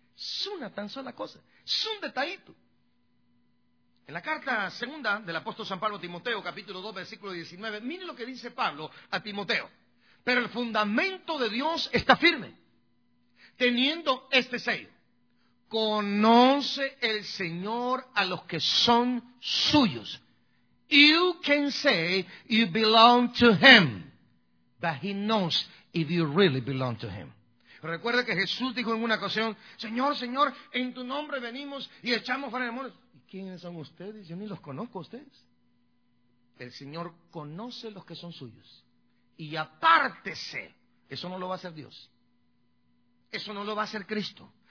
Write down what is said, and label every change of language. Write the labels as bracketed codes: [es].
[es] Es una tan sola cosa. Es un detallito. En la carta segunda del apóstol San Pablo a Timoteo, capítulo 2, versículo 19, mire lo que dice Pablo a Timoteo. Pero el fundamento de Dios está firme, teniendo este sello. Conoce el Señor a los que son suyos. [en] You can say you belong to Him, but He knows if you really belong to Him. [es] Recuerda que Jesús dijo en una ocasión, Señor, Señor, en tu nombre venimos y echamos fuera demonios. ¿Quiénes son ustedes? Yo ni los conozco a ustedes. El Señor conoce los que son suyos. Y apártese. Eso no lo va a hacer Dios. Eso no lo va a hacer Cristo.